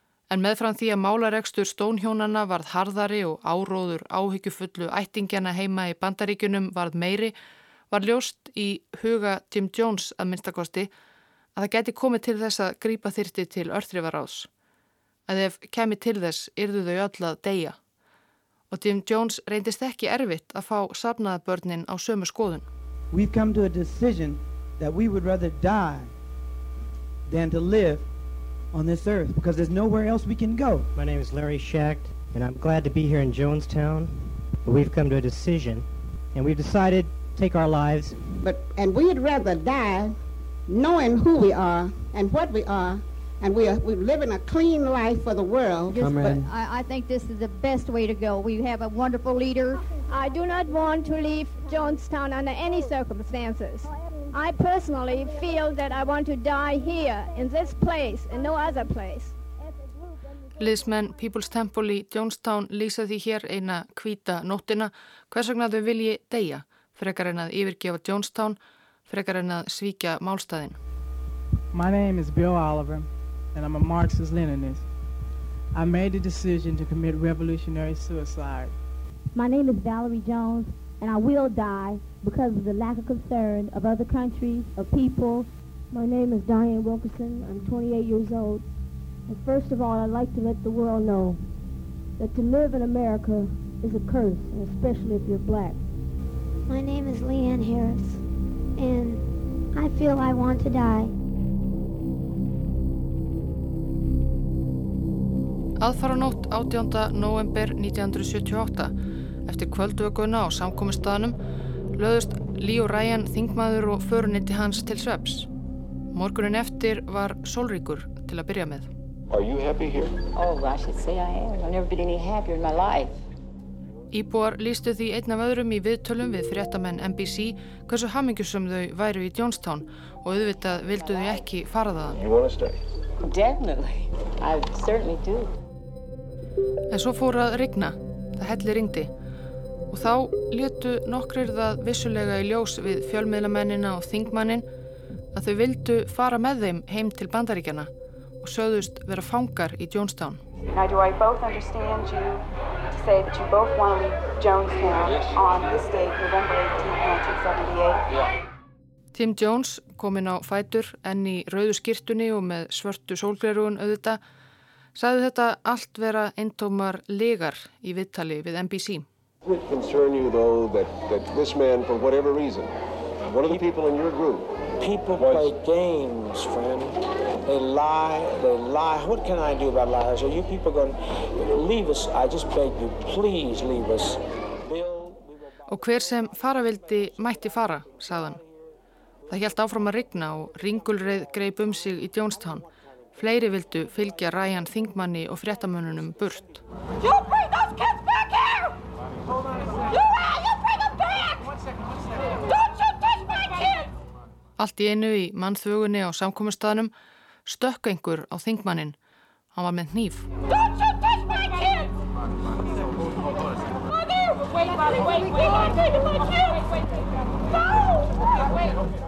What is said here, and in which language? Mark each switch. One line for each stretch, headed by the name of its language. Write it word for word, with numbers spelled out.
Icelandic: En meðfram því að málarekstur stónhjónana varð harðari og áróður áhyggjufullu ættingjana heima í bandaríkjunum varð meiri, var ljóst í huga Jim Jones að minnstakosti að það gæti komið til þess að grípa þyrti til örþrifaráðs. Að ef kemi til þess yrðu þau öll að deyja. Og Jim Jones reyndist ekki erfitt að fá safnaðabörnin á sömu skoðun.
English: We've come to a decision that we would rather die than to live on this earth because there's nowhere else we can go. My name is Larry Schacht and I'm glad to be here in Jonestown. We've come to a decision and we've decided take our lives. But, and we'd rather die knowing who we are and what we are, and we are we living a clean life for the world. Yes, but I, I think this is the best way to go. We have a wonderful leader. I do not want to leave Jonestown under any circumstances. I personally feel that I want to die here, in this place, and no other place.
Icelandic: Liðsmenn People's Temple í Jonestown lýsa því hér eina hvíta nóttina hvers vegna þau vilji deyja. Frekar en að yfirgefa Jonestown, frekar en að svíkja málstæðin.
English: My name is Bill Oliver and I'm a Marxist-Leninist. I made the decision to commit revolutionary suicide. My name is Valerie Jones and I will die because of the lack of concern of other countries, of people. My name is Diane Wilkerson. I'm twenty-eight years old. And first of all, I'd like to let the world know that to live in America is a curse, and especially if you're black. My name is Leanne Harris and I feel I want to die.
Icelandic: Aðfaranótt áttjánda nóvember nítján hundruð sjötíu og átta eftir kvöldvökunna á samkomustaðnum löðust Leo Ryan þingmaður og föruneyti hans til svefns. Morgunin eftir var sólríkur til að byrja með.
English: Are you happy here? Oh, I should say I am. I've never been any happier in my life.
Icelandic: Íbúar lýstu því einn af öðrum í viðtölum við fréttamenn N B C hversu hamingjusum þau væru í Jonestown og auðvitað vildu þau ekki fara þaðan.
English: You want to stay? Definitely. I certainly do.
Icelandic: En svo fór að rigna. Það helli rigndi. Og þá létu nokkrir það vissulega í ljós við fjölmiðlamennina og þingmanninn að þau vildu fara með þeim heim til Bandaríkjana og sögðust vera fangar í Jonestown.
English: Now do I both understand you to say that you both want to leave Jonestown yes. on this date, November eighteenth, nineteen seventy-eight? Yeah.
Icelandic: Tim Jones kominn á fætur enn í rauðu skyrtunni og með svörtu sólgleraugun auðvita sagði þetta allt vera eintómar legar í viðtali við N B C.
English: Would concern you though that, that this man for whatever reason, one of the people in your group. People play games, friend. They lie, they lie. What can I do about lies? Are you people going to leave us? I just beg you, please leave us.
Icelandic: Og hver sem fara vildi mætti fara, sagði hann. Það hélt áfram að rigna og ringulreið greip um sig í Jonestown. Fleiri vildu fylgja Ryan Thingmanni og fréttamönnunum burt.
English: You bring those kids back here! You are, you bring them back! Don't you touch my kids!
Icelandic: Allt í einu í mannþvögunni á samkomustaðnum stökk einhver á Thingmannin. Hann var með hníf.
English: Don't you touch my kids! Mother! Wait, Molly, wait, wait. You're taking my kids! No!